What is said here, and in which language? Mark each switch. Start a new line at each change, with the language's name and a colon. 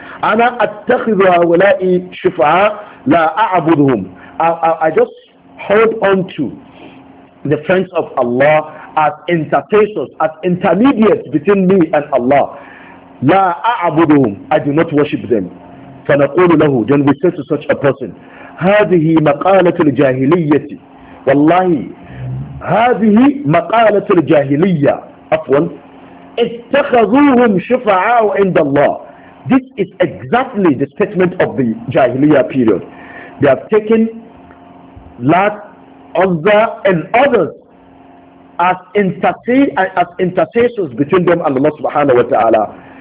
Arabic: Ana attakhidhu hawla'i shufa'a la a'buduhum,
English: I just hold on to the friends of Allah as intercessors, as intermediates between me and Allah.
Arabic: La a'buduhum,
English: I do not worship them.
Arabic: فنقول له,
English: then we say to such a person,
Arabic: هذه مقالة الجاهلية, والله هذه مقالة الجاهلية, أفضل اتخذوهم شفعاء عند الله.
English: This is exactly the statement of the Jahiliyyah period. They have taken Lat, Uzza and others as intercessors between them and Allah subhanahu wa ta'ala.